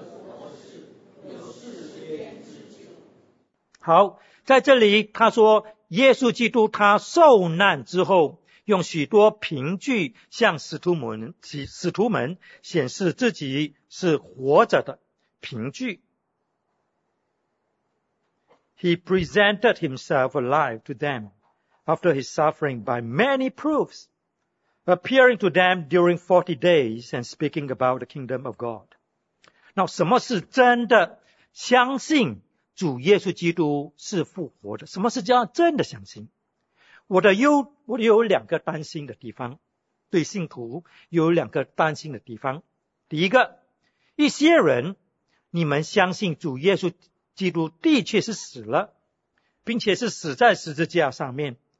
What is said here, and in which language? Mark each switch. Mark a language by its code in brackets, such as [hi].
[zh] 活事，有四天之久。好，在这里他说耶稣基督他受难之后用许多凭据向使徒们显示自己是活着的凭据。 [en] He presented himself alive to them after his suffering by many proofs, appearing to them during 40 days and speaking about the kingdom of God. [zh] Now, 什么是真的相信主耶稣基督是复活的？什么是叫真的相信？我有两个担心的地方，对信徒有两个担心的地方。第一个，一些人，你们相信主耶稣基督的确是死了，并且是死在十字架上面。